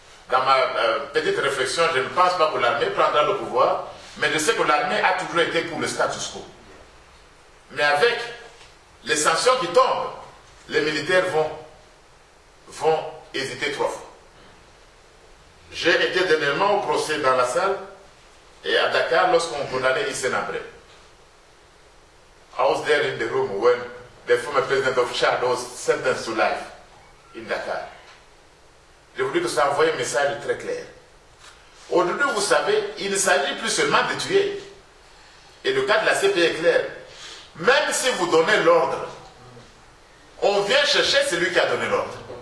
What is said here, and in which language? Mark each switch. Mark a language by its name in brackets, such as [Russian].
[French] Dans ma petite réflexion, je ne pense pas que l'armée prendra le pouvoir, mais je sais que l'armée a toujours été pour le status quo. Mais avec les sanctions qui tombent, les militaires vont hésiter trois fois. J'ai été dernièrement au procès dans la salle et à Dakar lorsqu'on condamnait Hissène Habré. [English] I was there in the room when the former president of Chad was sentenced to life in Dakar. [French] Je voulais que ça envoie un message très clair. Aujourd'hui, vous savez, il ne s'agit plus seulement de tuer. Et le cas de la CPI est clair. Même si vous donnez l'ordre, on vient chercher celui qui a donné l'ordre.